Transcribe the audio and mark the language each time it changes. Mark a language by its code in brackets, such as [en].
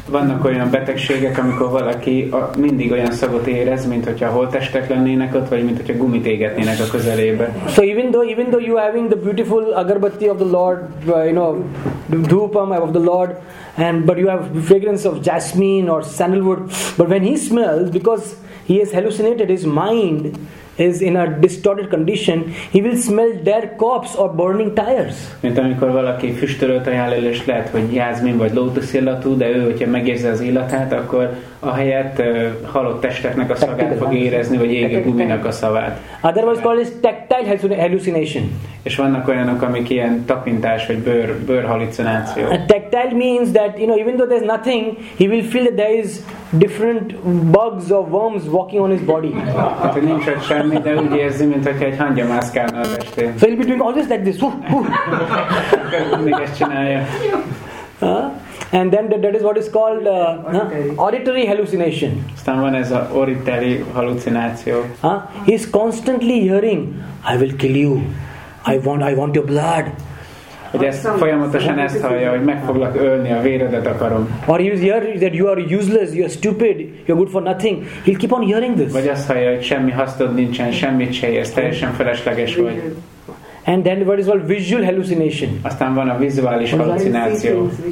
[hu] Vannak olyan betegségek, amikor valaki mindig olyan szagot érez, mint hogyha holttestek lennének ott, vagy mint hogyha gumit égetnének a közelébe. [en] So even though you having the beautiful agarbatti of the Lord, you know, dhupam of the Lord, and but you have fragrance of jasmine or sandalwood, but when he smells, because he has hallucinated, his mind is in a distorted condition, he will smell dead corpse or burning tires. [hu] Mint amikor valaki füstölt ajánlélést lehet, hogy jázmin vagy lótusz illatú, de ő, hogyha megérzi az illatát, akkor a helyett halott testeknek a szagát fog érezni, vagy égő guminak a szavát. [en] Otherwise called tactile hallucination. [hu] És vannak olyanok, amik ilyen tapintás, vagy bőr hallucináció. [en] Tactile means that, you know, even though there's nothing, he will feel that there is different bugs or worms walking on his body. [hu] Hát, hogy nincs ott semmi, de úgy érzi, mint hogyha egy hangya mászkálna az estén. [en] So he'll be doing always like this. [hu] Mindig ezt csinálja. [en] And then that is what is called auditory hallucination. Stanman is a auditory hallucination. He is constantly hearing, I will kill you. I want your blood. [hu] Folyamatosan ezt hallja, hogy meg foglak ölni, a véredet akarom. [en] Or he is hearing that you are useless, you are stupid, you are good for nothing. He'll keep on hearing this. [hu] Vagy azt hallja, hogy semmi hasznod nincsen, semmit se érsz, teljesen felesleges vagy. [en] And then what is called visual hallucination. [hu] Aztán van a vizuális hallucináció.